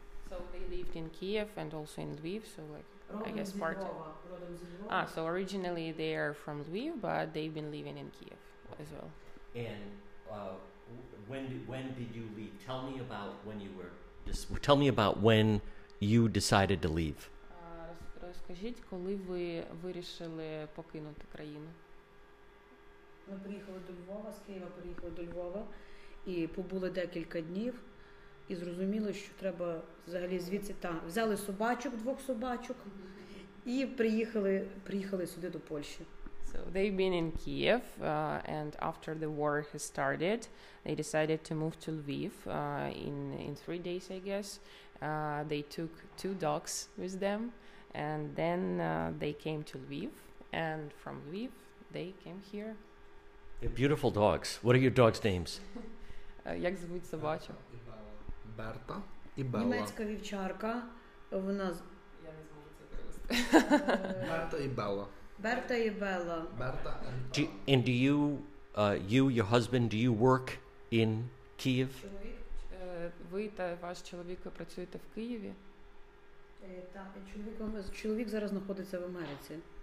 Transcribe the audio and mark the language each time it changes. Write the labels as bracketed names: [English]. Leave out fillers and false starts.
[English] So they lived in Kyiv and also in Lviv, so like, Rodem I guess part of... So originally they are from Lviv, but they've been living in Kyiv as well. And when did you leave? Tell me about when you were... tell me about when you decided to leave. [Ukrainian] Розкажіть, коли ви вирішили покинути країну? Ми приїхали до Львова, з Києва приїхали до Львова, і побули декілька днів, і зрозуміли, що треба взагалі звідси там. Взяли собачок, двох собачок, і приїхали сюди до Польщі. [English] So So they've been in Kiev, and after the war has started, they decided to move to Lviv in 3 days, I guess. They took two dogs with them, and then they came to Lviv, and from Lviv, they came here. They're beautiful dogs. What are your dogs' names? [Ukrainian] Як звуть собачу? Берта і Бела. Німецька вівчарка. Вона... Я не зможу це перевести. Берта і Бела. Berta y Bella. [English] Berta and Bella. And do you, your husband, do you work in Kyiv? [Ukrainian] Ви та ваш чоловік працюєте в Києві? Так, чоловік зараз знаходиться в Америці.